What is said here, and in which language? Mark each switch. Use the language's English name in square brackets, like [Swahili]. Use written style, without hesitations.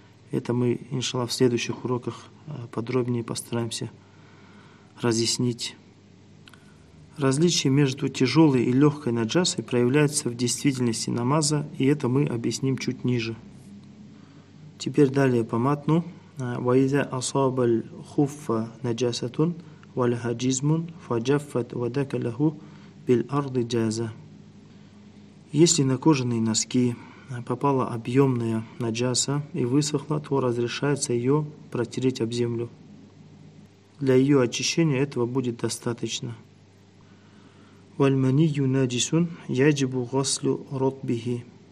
[Russian] Это мы, иншаллах, в следующих уроках подробнее постараемся разъяснить. Различие между тяжелой и легкой наджасой проявляется в действительности намаза, и это мы объясним чуть ниже. Теперь далее по матну. [Arabic] وإذا أصاب الخف نجاسة ولها جزم فجفت ودك له بالأرض جازة. [Russian] Если на кожаные носки попала объемная наджаса и высохла, то разрешается ее протереть об землю. Для ее очищения этого будет достаточно. [Arabic] والمني نجس يجب غسل رطبه.